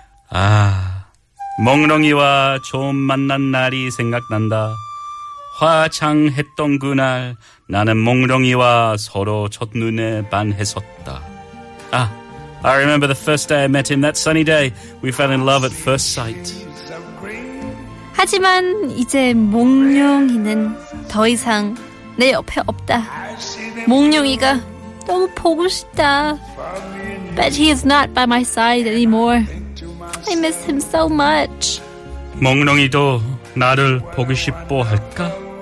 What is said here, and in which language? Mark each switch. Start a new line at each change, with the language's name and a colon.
Korean: 아, 몽롱이와 처음 만난 날이 생각난다. 화창했던 그날 나는 몽롱이와 서로 첫눈에 반했었다.
English: Ah, I remember the first day I met him, that sunny day. We fell in love at first sight.
Korean: 하지만 이제 몽룡이는 더 이상 내 옆에 없다. 몽룡이가 너무 보고 싶다.
English: But he is not by my side anymore. I miss him so much.
Korean: 몽룡이도 나를 보고 싶어 할까?